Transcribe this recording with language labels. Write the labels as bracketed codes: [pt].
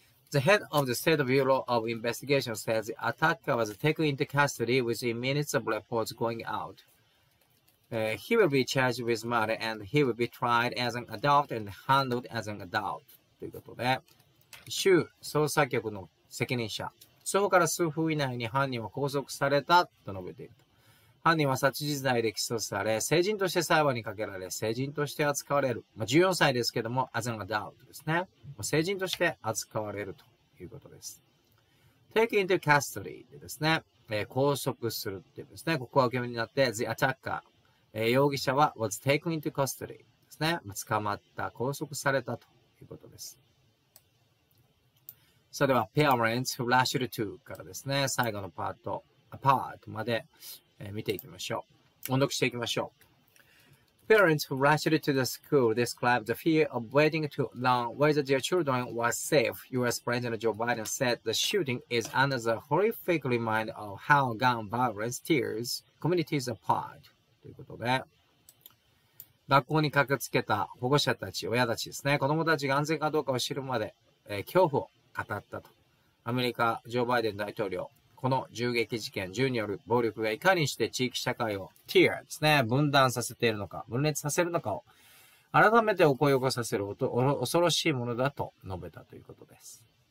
[en] The head of the State Bureau of Investigation says the attacker was taken into custody within minutes of reports going out.、He will be charged with murder and he will be tried as an adult and handled as an adult. [ja] ということで、州捜査局の責任者、通報から数分以内に犯人は拘束されたと述べていると。犯人は殺人罪で起訴され、成人として裁判にかけられ、成人として扱われる。まあ、14歳ですけども、 [en] as an adult [ja] ですね。まあ、成人として扱われるということです。 [en] Take into custody [ja] でですね、拘束するっていうですね、ここは受け身になって、 [en] the attacker、 [ja] 容疑者は [en] was taken into custody [ja] ですね。まあ、捕まった、拘束されたということです。それでは、 [en] parents who rushed to [ja] からですね、最後のパート、part まで、見ていきましょう。音読していきましょう。 [en] Parents who rushed to the school described the fear of waiting too long whether their children were safe. U.S. President Joe Biden said the shooting is another horrific reminder of how gun violence tears communities apart. [ja] ということで、学校に駆けつけた保護者たち、親たちですね、子供たちが安全かどうかを知るまで、恐怖を語ったと。アメリカ、ジョー・バイデン大統領。この銃撃事件、銃による暴力がいかにして地域社会を tear ですね、分断させているのか、分裂させるのかを改めて起こり起こさせる恐ろしいものだと述べたということです。